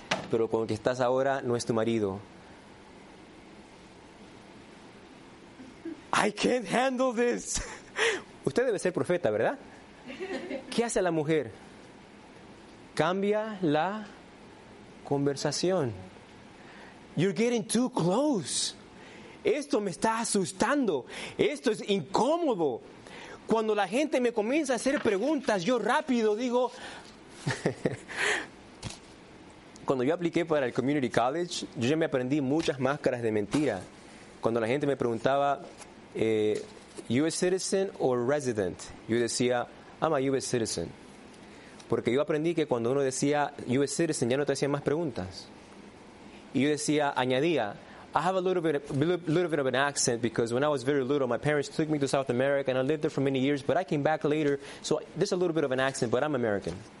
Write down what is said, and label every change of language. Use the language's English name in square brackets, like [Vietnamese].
[Spanish] Pero con el que estás ahora no es tu marido. [English] I can't handle this. [Spanish] Usted debe ser profeta, ¿verdad? ¿Qué hace la mujer? Cambia la conversación. [English] You're getting too close. [Spanish] Esto me está asustando. Esto es incómodo. Cuando la gente me comienza a hacer preguntas, yo rápido digo... Cuando yo apliqué para el Community College, yo ya me aprendí muchas máscaras de mentira. Cuando la gente me preguntaba, [English] ¿US citizen or resident? [Spanish] Yo decía, [English] I'm a US citizen. [Spanish] Porque yo aprendí que cuando uno decía US citizen, ya no te hacían más preguntas. Y yo decía, añadía, [English] I have a little bit of an accent because when I was very little, my parents took me to South America and I lived there for many years, but I came back later, so there's a little bit of an accent, but I'm American.